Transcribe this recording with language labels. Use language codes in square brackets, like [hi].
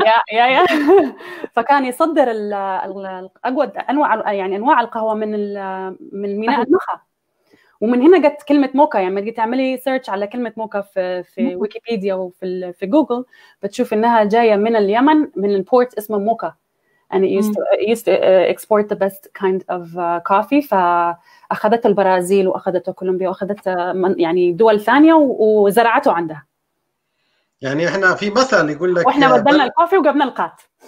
[ar] يا يا فكان يصدر الاقود انواع يعني انواع القهوه من ميناء المخا، ومن هنا جت كلمه موكا. يعني لما تجي تعملي سيرش على كلمه موكا في ويكيبيديا وفي في جوجل بتشوف انها جايه من اليمن من البورت اسمه موكا. [en] And it used to export the best kind of coffee. [ar] فأخذت البرازيل وأخذت كولومبيا وأخذت يعني دول ثانية وزرعته عندها. يعني إحنا في مثل يقول لك. وإحنا بدلنا الكوفي وجبنا القات.